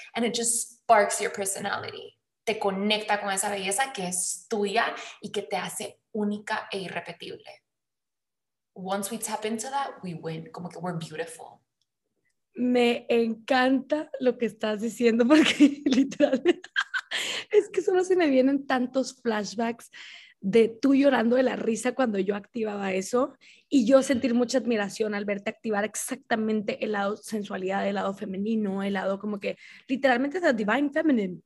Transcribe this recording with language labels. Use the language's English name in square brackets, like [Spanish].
[English] And it just sparks your personality. [Spanish] Te conecta con esa belleza que es tuya y que te hace única e irrepetible. [English] Once we tap into that, we win. [Spanish] Como que [English] we're beautiful. [Spanish] Me encanta lo que estás diciendo porque literalmente es que solo se me vienen tantos flashbacks de tú llorando de la risa cuando yo activaba eso y yo sentir mucha admiración al verte activar exactamente el lado sensualidad, el lado femenino, el lado como que literalmente [English] the divine feminine.